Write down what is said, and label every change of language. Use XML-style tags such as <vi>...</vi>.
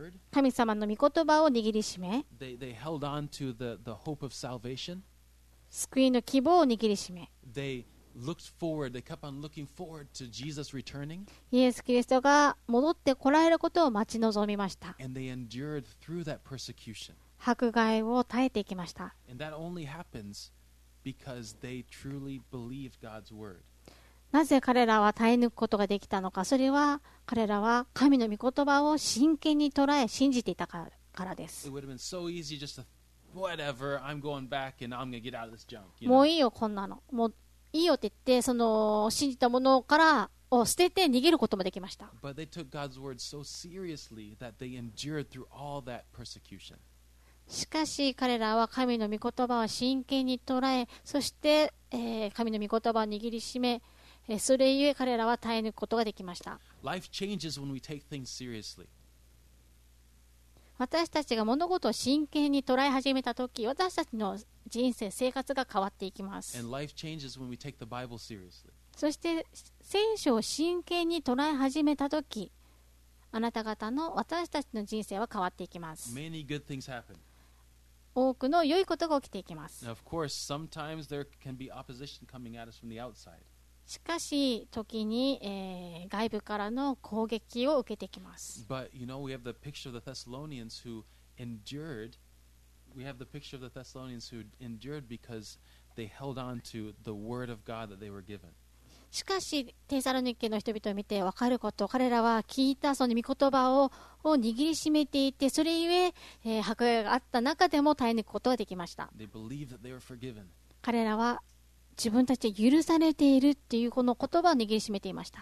<ja>神様の御言葉を握りしめ、</ja> <en>they held on to the hope of salvation.</en> <ja>救いの希望を握りしめ、</ja> <en>they looked forward, they kept on looking forward to Jesus returning.</en> <ja>イエス・キリストが戻ってこられることを待ち望みました。</ja> <en>And they endured through that persecution.</en> <ja>迫害を耐えていきました。</ja> <en>And that only happens because they truly believed God's word.</en> <ja>なぜ彼らは耐え抜くことができたのか、それは彼らは神の御言葉を真剣に捉え信じていたからです。</ja> <en>It would have been so easy just to whatever, I'm going back and I'm going to get out of this junk.</en> <ja>もういいよこんなの、もういいよって言ってその信じたものからを捨てて逃げることもできました。</ja> <en>So、そ</en> <ja>しかし彼らは神の御言葉を真剣に捉え、そして、神の御言葉を握りしめ、それゆえ彼らは耐え抜くことができました。</ja> <en>Life changes when we take things seriously.</en> <ja>私たちが物事を真剣に捉え始めたとき、私たちの人生、生活が変わっていきます。</ja> <en>And life changes when we take the Bible seriously.</en> <ja>そして聖書を真剣に捉え始めたとき、あなた方の、私たちの人生は変わっていきます。</ja> <en>Many good things happen.</en> <ja>多くの良いことが起きていきます。</ja> <en>Now, of course, sometimes there can be opposition coming at us from the outside.</en> <ja>しかし時に、外部からの攻撃を受けてきます。</ja> <en>But you know, we have the picture of the Thessalonians who endured. We have the picture of the Thessalonians who endured because they held on to the word of God that they were given.</en> <ja>しかしテサロニケの人々を見て分かること、彼らは聞いたその御言葉 を握りしめていて、それゆえ、迫害があった中でも耐え抜くことができました。</ja> <en>They believed that they were forgiven.</en> <ja>彼らは自分たちは許されているっていうこの言葉を握りしめていました。</ja>